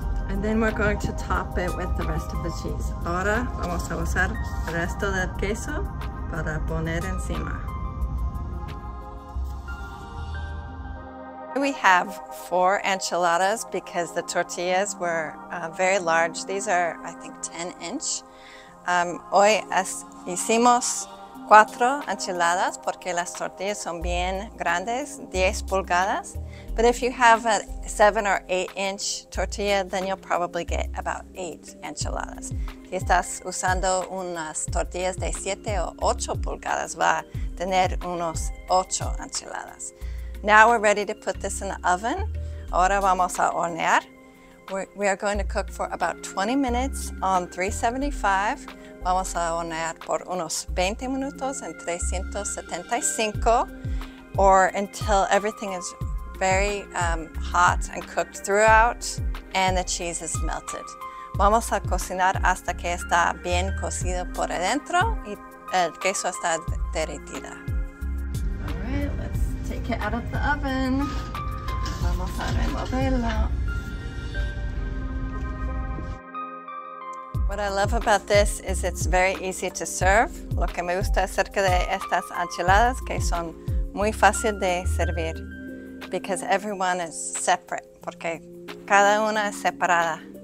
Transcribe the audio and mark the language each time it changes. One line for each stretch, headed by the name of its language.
English: And then we're going to top it with the rest of the cheese.
Spanish: Ahora vamos a usar el resto del queso para poner encima.
English: We have 4 enchiladas because the tortillas were very large. These are, I think, 10 inch.
Spanish: Hoy hicimos 4 enchiladas porque las tortillas son bien grandes, 10 pulgadas.
English: But if you have a 7 or 8 inch tortilla, then you'll probably get about 8 enchiladas.
Spanish: Si estás usando unas tortillas de 7 o 8 pulgadas, va a tener unos 8 enchiladas.
English: Now we're ready to put this in the oven.
Spanish: Ahora vamos a hornear.
English: We are going to cook for about 20 minutes on 375.
Spanish: Vamos a hornear por unos 20 minutos en 375,
English: or until everything is very hot and cooked throughout and the cheese is melted.
Spanish: Vamos a cocinar hasta que está bien cocido por adentro y el queso está derretida.
English: All right, let's take it out of the oven.
Spanish: Vamos a removerlo.
English: What I love about this is it's very easy to serve.
Spanish: Lo que me gusta acerca de estas enchiladas que son muy fácil de servir
English: because everyone is separate,
Spanish: porque cada una es separada.